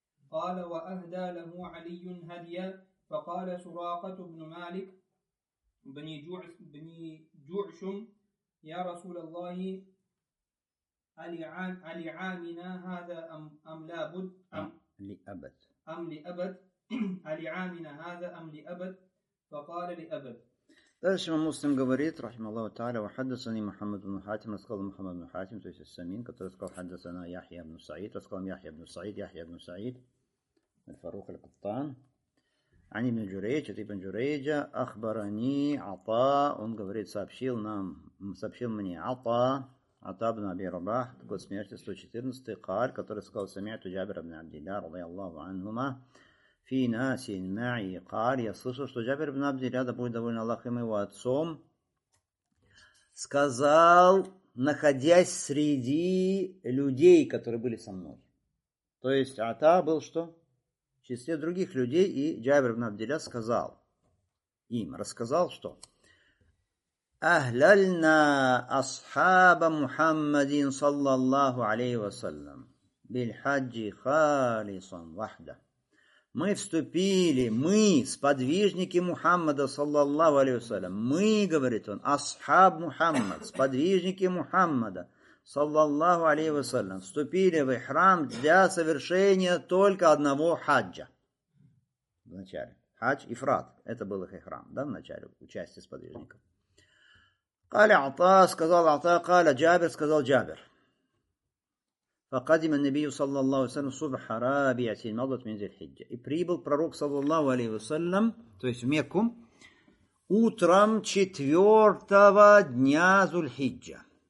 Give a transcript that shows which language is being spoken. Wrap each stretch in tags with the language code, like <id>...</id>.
<ar>قال وأهدى له علي هديا فقال سراقة بن مالك بن جعشم يا رسول الله ألعامنا هذا أم لأبد فقال لأبد.</ar> <ru>Дальше Муслим говорит, رحمه الله تعالى,</ru> <ar>وحدثني محمد بن حاتم,</ar> <ru>рассказал محمد بن حاتم, то есть السمين, который сказал,</ru> <ar>حدثنا يحيى بن سعيد,</ar> <ru>рассказал يحيى بن سعيد, الفاروق القطان,</ru> <ar>عن ابن جريج,</ar> <ru>от ابن جريج,</ru> <ar>أخبرني عطاء,</ar> <ru>он говорит, сообщил мне عطاء, Атабн Аби Рабах, год смерти 114-й, Кааль, который сказал, Самиату Джабир ибн Абдилля, радиаллаху анхума, фи насин ма'и Кааль, я слышал, что Джабир ибн Абдилля, да будет доволен Аллахом его отцом, сказал, находясь среди людей, которые были со мной. То есть Ата был что? В числе других людей, и Джабир ибн Абдилля сказал им, рассказал что?</ru> <ar>أهللنا أصحاب محمد صلى الله عليه وسلم بالحج خالصا وحده.</ar> <ru>Мы вступили, мы, сподвижники Мухаммада, саллаллаху алейхи ва саллям. Мы, говорит он, асхаб Мухаммад, сподвижники Мухаммада, саллаллаху алейхи ва саллям, вступили в храм для совершения только одного хаджа. Вначале. Хадж и фрат. Это был их храм, да, вначале, участие сподвижников. قال عطاء сказал عطاء قال جابر сказал جابر</ru> <ar>فقدم النبي صلى الله عليه وسلم صبح رابعة مضت من ذي الحجة</ar> <ru>и прибыл пророк саллаллаху алейхи ва саллям, то есть в Мекку, утром 4-го дня Зульхиджа.</ru>